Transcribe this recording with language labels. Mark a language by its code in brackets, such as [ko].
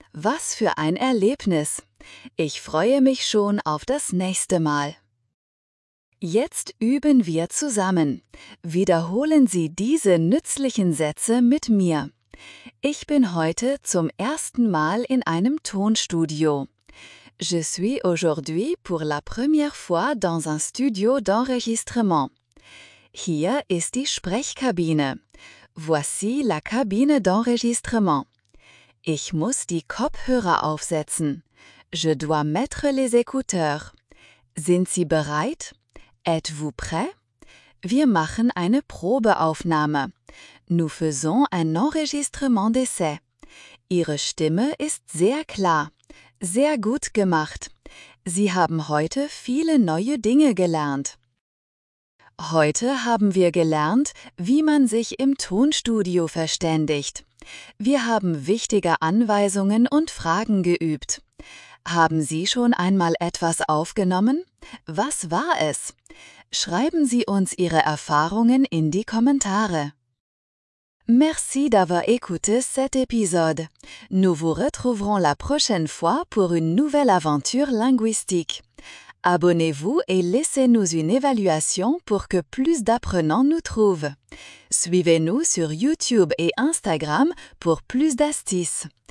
[de] Was für ein Erlebnis! Ich freue mich schon auf das nächste Mal. Jetzt üben wir zusammen. Wiederholen Sie diese nützlichen Sätze mit mir. Ich bin heute zum ersten Mal in einem Tonstudio. [fr] Je suis aujourd'hui pour la première fois dans un studio d'enregistrement. [de] Hier ist die Sprechkabine. [fr] Voici la cabine d'enregistrement. [de] Ich muss die Kopfhörer aufsetzen. [fr] Je dois mettre les écouteurs. [de] Sind Sie bereit? [fr] Êtes-vous prêt? [de] Wir machen eine Probeaufnahme. [fr] Nous faisons un enregistrement d'essai. [de] Ihre Stimme ist sehr klar. Sehr gut gemacht. Sie haben heute viele neue Dinge gelernt. Heute haben wir gelernt, wie man sich im Tonstudio verständigt. Wir haben wichtige Anweisungen und Fragen geübt. Haben Sie schon einmal etwas aufgenommen? Was war es? Schreiben Sie uns Ihre Erfahrungen in die Kommentare. [fr] Merci d'avoir écouté cet épisode. Nous vous retrouverons la prochaine fois pour une nouvelle aventure linguistique. Abonnez-vous et laissez-nous une évaluation pour que plus d'apprenants nous trouvent. Suivez-nous sur YouTube et Instagram pour plus d'astuces.